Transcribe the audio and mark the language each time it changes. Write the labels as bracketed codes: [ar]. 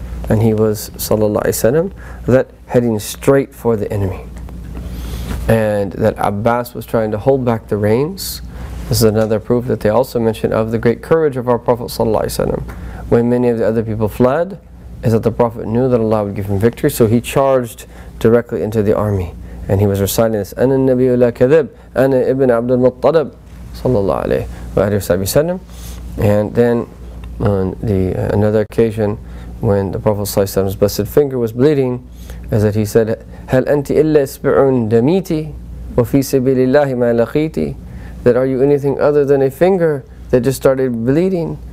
[en] And he was, sallallahu alayhi wa sallam, that heading straight for the enemy. And that Abbas was trying to hold back the reins. This is another proof that they also mentioned of the great courage of our Prophet, sallallahu alayhi wa sallam. When many of the other people fled, is that the Prophet knew that Allah would give him victory, so he charged directly into the army. And he was reciting this, [ar] أَنَا النَّبِيُّ لَا كَذِبْ أَنَا إِبْنَ عَبْدُ الْمُطَّلَبِ صلى الله عليه وآله وسلم. [en] And then, on another occasion, when the Prophet صلى الله عليه وسلم's blessed finger was bleeding, is that he said, [ar] هَلْ أَنْتِ إِلَّا إِسْبِعٌ دَمِيتِ وَفِي سَبِيلِ اللَّهِ مَا لَخِيتِ. [en] That are you anything other than a finger that just started bleeding?